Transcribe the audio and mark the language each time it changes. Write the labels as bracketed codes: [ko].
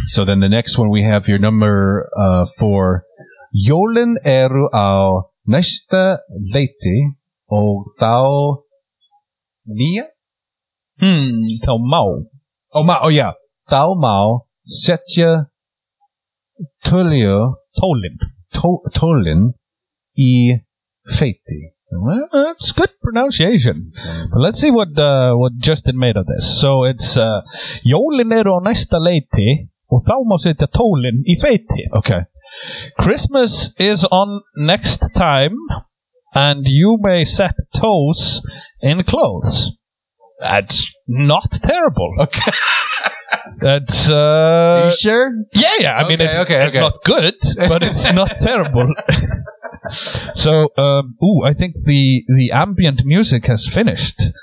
[en] So then the next one we have here, number 4. [is] Jólin eru á næsta leiti og þá nýja? Þá má. Þá má setja tólin í feiti. [en] Well, that's good pronunciation. But let's see what Justin made of this. So it's [is] Jólin eru á næsta leiti og þá má setja tólin í feiti. [en] Okay. Christmas is on next time, and you may set toes in clothes. That's not terrible. Okay. That's, Are you sure? Yeah. I mean, it's not good, but it's not terrible. So, I think the ambient music has finished.